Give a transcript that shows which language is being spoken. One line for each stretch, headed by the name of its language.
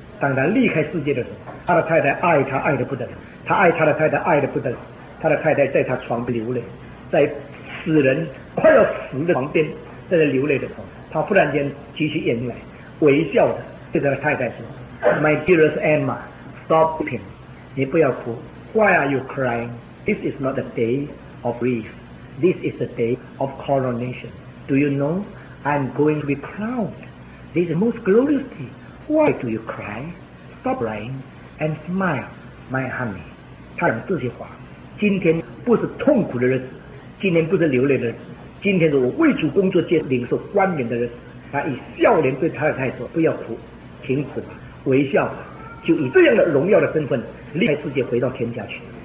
Chinese: 当他离开世界的时候，他的太太爱他爱得不得了，他爱他的太太爱得不得了，他的太太在他床边流泪，在死人快要死的床边在那流泪的时候，他忽然间举起眼睛来微笑的对他的太太说
English: My dearest Emma， stop weeping，
Chinese: 你不要哭。
English: Why are you crying？ This is not a day of grief，This is the day of coronation. Do you know I'm going to be crowned? This is the most glorious day. Why do you cry? Stop crying and smile, my honey.
Chinese: 他讲这些话，今天不是痛苦的日子，今天不是流泪的日子，今天是我为主工作界领受冠冕的日子。他以笑脸对他的太太说，不要哭，停止吧，微笑吧，就以这样的荣耀的身份离开世界回到天家去。